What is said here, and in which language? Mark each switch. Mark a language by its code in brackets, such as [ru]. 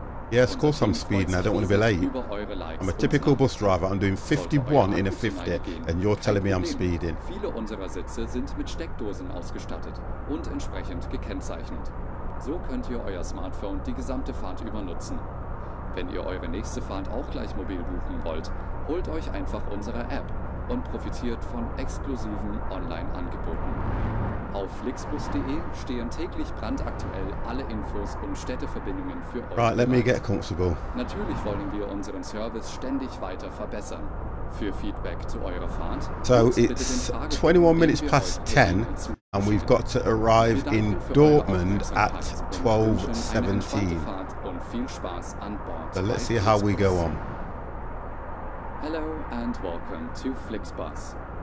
[en] Yes, of course I'm speeding, I don't want to be late. I'm a typical bus driver, I'm doing 51 in a 50, and you're telling me I'm speeding. [de] Viele unserer Sitze sind mit Steckdosen ausgestattet und entsprechend gekennzeichnet. So könnt ihr euer Smartphone die gesamte Fahrt über nutzen. Wenn ihr eure nächste Fahrt auch gleich mobil buchen wollt, holt euch einfach unsere App und profitiert von exklusiven Online-Angeboten. Auf flixbus.de stehen täglich brandaktuell alle Infos und Städteverbindungen für euch. [en] Right, let me get comfortable. [de] Natürlich wollen wir unseren Service ständig weiter verbessern. Für Feedback zu eurer Fahrt. [en] So it's 21 minutes past 10 and we've got to arrive in Dortmund at 12:17. [de] Und viel Spaß an Bord. [en] So let's see how we go on. Hello and welcome to Flixbus.